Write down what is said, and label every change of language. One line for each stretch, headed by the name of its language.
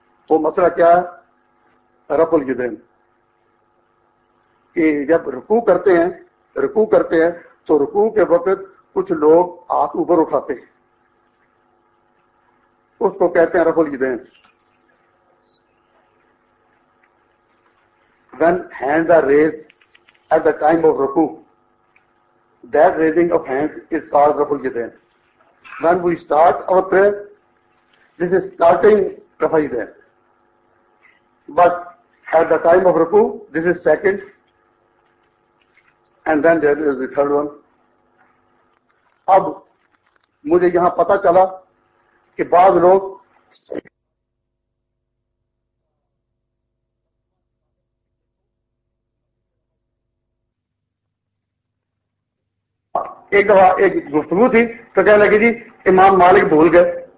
Urdu: وہ مسئلہ کیا ہے؟ رفع الیدین. کہ جب رکوع کرتے ہیں, رکوع کرتے ہیں تو رکوع کے وقت کچھ لوگ ہاتھ اوپر اٹھاتے ہیں, اس کو کہتے ہیں رفع الیدین.
English: When hands are raised at the time of ruku, that raising of hands is called رفع الیدین. When we start our prayer, this is starting رفع الیدین. But at the time of ruku, this is second, and then there is the third one.
Urdu: اب مجھے یہاں پتا چلا کہ بعض لوگ ایک دفعہ ایک گفتگو تھی تو کہنے لگے جی امام مالک بھول گئے.